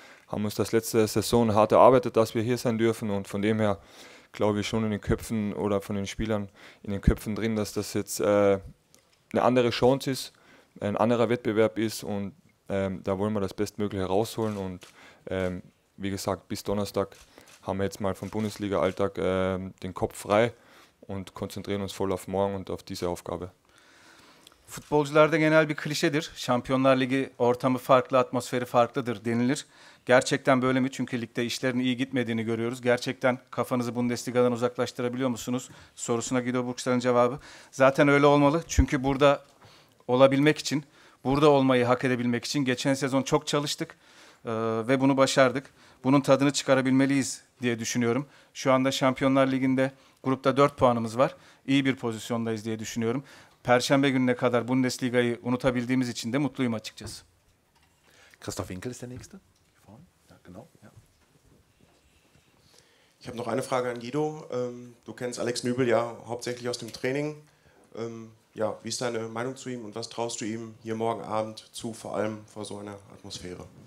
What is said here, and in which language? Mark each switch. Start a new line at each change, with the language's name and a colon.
German: Haben uns das letzte Saison hart erarbeitet, dass wir hier sein dürfen. Und von dem her glaube ich schon in den Köpfen oder von den Spielern in den Köpfen drin, dass das jetzt eine andere Chance ist, ein anderer Wettbewerb ist. Und da wollen wir das Bestmögliche rausholen. Und wie gesagt, bis Donnerstag haben wir jetzt mal vom Bundesliga-Alltag den Kopf frei und konzentrieren uns voll auf morgen und auf diese Aufgabe.
Turkish: Futbolcularda genel bir klişedir. Şampiyonlar Ligi ortamı farklı, atmosferi farklıdır denilir. Gerçekten böyle mi? Çünkü ligde işlerin iyi gitmediğini görüyoruz. Gerçekten kafanızı Bundesliga'dan uzaklaştırabiliyor musunuz? Sorusuna Guido Burkstad'ın cevabı. Zaten öyle olmalı. Çünkü burada olabilmek için, burada olmayı hak edebilmek için geçen sezon çok çalıştık ve bunu başardık. Bunun tadını çıkarabilmeliyiz diye düşünüyorum. Şu anda Şampiyonlar Ligi'nde grupta 4 puanımız var. İyi bir pozisyondayız diye düşünüyorum. Perşembe gününe kadar Bundesliga'yı unutabildiğimiz için de mutluyum açıkçası.
German: Christoph Winkel ist der nächste. Ja, genau. Ja. Ich habe noch eine Frage an Guido. Du kennst Alex Nübel ja hauptsächlich aus dem Training. Ja, wie ist deine Meinung zu ihm und was traust du ihm hier morgen Abend zu, vor allem vor so einer Atmosphäre?